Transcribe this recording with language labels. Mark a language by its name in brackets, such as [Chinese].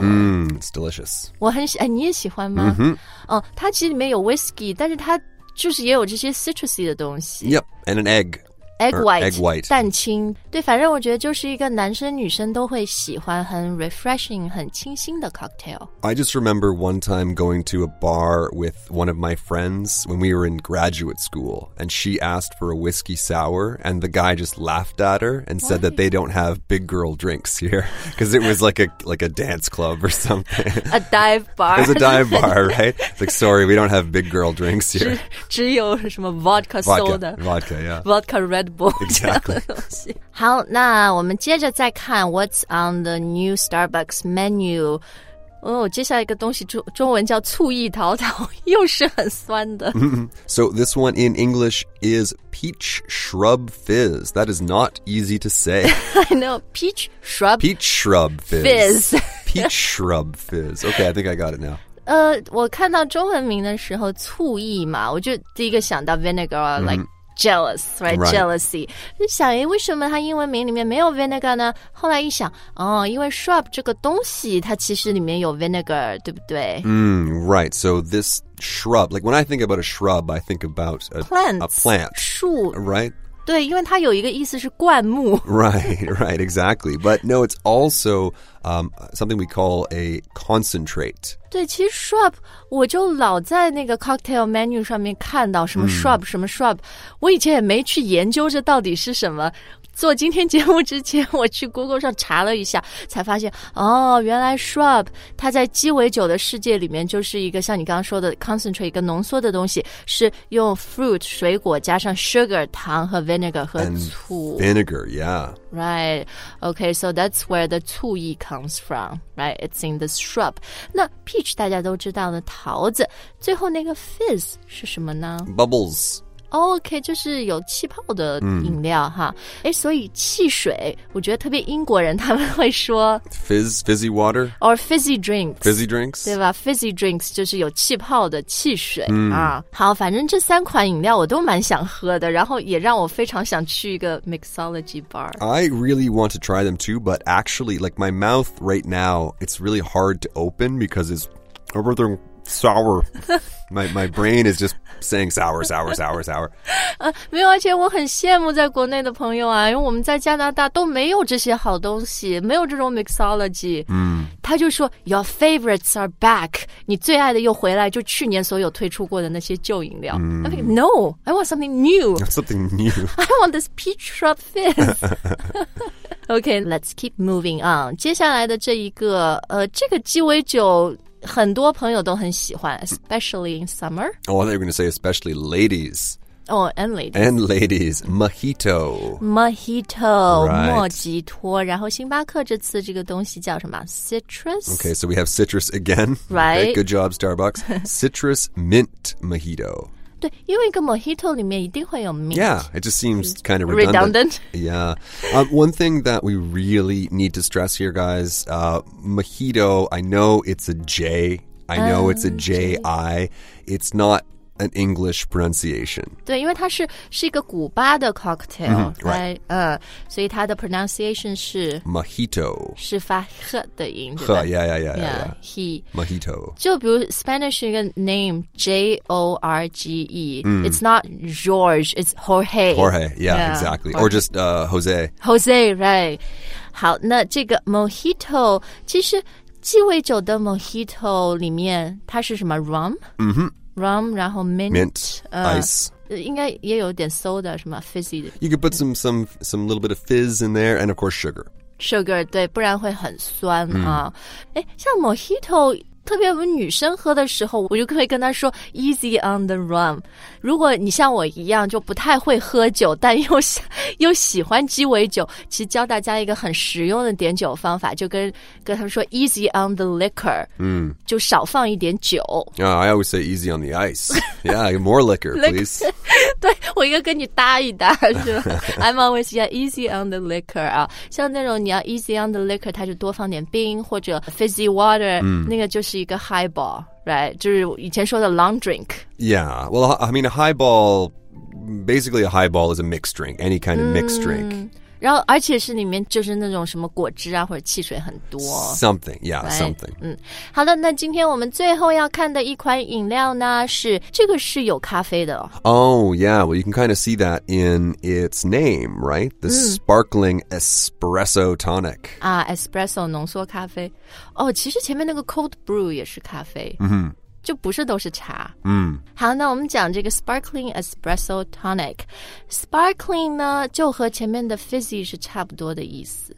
[English] mm, it's delicious [Chinese] 我很喜、哎、你也喜欢吗、 mm-hmm. 哦、它其实里面有 whiskey 但是它就是也有这些 citrusy 的东西 [English] yep and an egg egg white, egg white [Chinese] 蛋清对反正我觉得就是一个男生女生都会喜欢很 refreshing 很清新的 cocktail [English] I just remember one time going to a bar with one of my friends when we were in graduate school and she asked for a whiskey sour and the guy just laughed at her and said、 Why? that they don't have big girl drinks here because it was like a dance club or something a dive bar it was a dive bar right It's like sorry we don't have big girl drinks here [Chinese] 只有什么 vodka soda [English] vodka yeah vodka redBull、 exactly. [Chinese] 好那我们接着再看 [English] What's on the new Starbucks menu、 [Chinese] oh, 接下来一个东西 中文叫醋意桃桃又是很酸的、 mm-hmm. [English] So this one in English is peach shrub fizz That is not easy to say I know peach shrub Peach shrub fizz, fizz. Peach shrub fizz Okay I think I got it now [Chinese] 我看到中文名的时候醋意嘛我就第一个想到 vinegar、mm-hmm. [English] likeJealous, right? right? Jealousy. [Chinese] 就想，为什么它英文名里面没有 vinegar 呢？后来一想，哦，因为 shrub 这个东西，它其实里面有 vinegar， 对不对？ [English] Right. So this shrub, like when I think about a shrub, I think about a plant, a plant, [Chinese] 树 [English] right? [Chinese] 对，因为它有一个意思是灌木。 [English] Right, right, exactly. But no, it's also、something we call a concentrate. [Chinese] 对，其实 shrub 我就老在那个 cocktail menu 上面看到什么 shrub、mm. 什么 shrub， 我以前也没去研究这到底是什么。做今天节目之前，我去 Google 上查了一下，才发现哦，原来 shrub 它在鸡尾酒的世界里面就是一个像你刚刚说的 concentrate 一个浓缩的东西，是用 fruit 水果加上 sugar 糖和 vinegar 和醋。 [English] And、vinegar, yeah. Right. Okay, so that's where the 醋意 comes from, right? It's in the shrub. [Chinese] 那 peach 大家都知道的桃子，最后那个 fizz 是什么呢 [English] ？Bubbles. [Chinese] Okay, 就是有气泡的饮料、mm. 哈。哎，所以汽水，我觉得特别英国人他们会说 [English] fizzy water or fizzy drinks. Fizzy drinks, [Chinese] 对吧 ？Fizzy drinks 就是有气泡的汽水、 mm. 啊。好，反正这三款饮料我都蛮想喝的，然后也让我非常想去一个 mixology bar. [English] I really want to try them too, but actually, like my mouth right now, it's really hard to open because it's overthrown. Sour. My brain is just saying sour, sour, sour, sour. [Chinese] 没有，而且我很羡慕在国内的朋友啊，因为我们在加拿大都没有这些好东西，没有这种 mixology. 他就说 [English] your favorites are back. [Chinese] 你最爱的又回来，就去年所有推出过的那些旧饮料。 [English] I'm like, no, I want something new. Something new. I want this peach shrub fizz. Okay, let's keep moving on. [Chinese] 接下来的这一个，这个鸡尾酒。很多朋友都很喜欢 [English] especially in summer. Oh, I thought you were going to say especially ladies. Oh, and ladies. And ladies. Mojito. Mojito. Right. [Chinese] 莫吉托然后星巴克这次这个东西叫什么 Citrus. [English] Okay, so we have citrus again. Right. Okay, good job, Starbucks. Citrus mint mojito. [Chinese] 对因为一个 mojito 里面一定会有 mint. [English] Yeah, it just seems kind of redundant. Yeah. One thing that we really need to stress here, guys, mojito, I know it's a J. I know it's a J-I. It's not an English pronunciation. [Chinese] 对因为它 是一个古巴的 cocktail, mm-hmm, [English] right? [Chinese] 所以它的 pronunciation 是 [English] mojito. [Chinese] 是发 h 的音。 [English] h, yeah, yeah, yeah, yeah. yeah. He, mojito. [Chinese] 就比如 Spanish 一个 name, J-O-R-G-E.、Mm. [English] It's not George, it's Jorge. Jorge, yeah, yeah exactly. Jorge. Or just、Jose. Jose, right. [Chinese] 好那这个 mojito, 其实鸡尾酒的 mojito 里面它是什么 rum? Mm-hmm. [English] rum, 然后 mint ice. [Chinese] 应该也有点 soda, 什么 fizzy. [English] You could put some little bit of fizz in there, and of course sugar. [Chinese] Sugar, 对，不然会很酸啊。像 mojito, 特别我女生喝的时候，我就可以跟她说 [English] easy on the rum. [Chinese] 如果你像我一样就不太会喝酒，但又喜欢鸡尾酒，其实教大家一个很实用的点酒方法，就跟她说 [English] easy on the liquor. [Chinese] 就少放一点酒。 [English] I always say easy on the ice. Yeah, more liquor, please. [Chinese] 对，我应该跟你搭一搭，是吧？ [English] I'm always yeah easy on the liquor [Chinese] 啊，像那种你要 [English] easy on the liquor, [Chinese] 它就多放点冰或者 fizzy water, 那个就是一个 highball, right? 就是以前说的 long drink. [English] Yeah, well, I mean, a highball, basically a highball is a mixed drink, any kind of mixed drink. [Chinese] 然后而且是里面就是那种什么果汁啊或者汽水很多。 [English] Something, yeah, right? Something. [Chinese] 好的，那今天我们最后要看的一款饮料呢是这个是有咖啡的。 [English] Oh, yeah, well, you can kind of see that in its name, right? The sparkling espresso tonic. [Chinese] Espresso, 浓缩咖啡。哦，其实前面那个 cold brew 也是咖啡。就不是都是茶。好，那我们讲这个 sparkling espresso tonic. Sparkling 呢就和前面的 fizzy 是差不多的意思。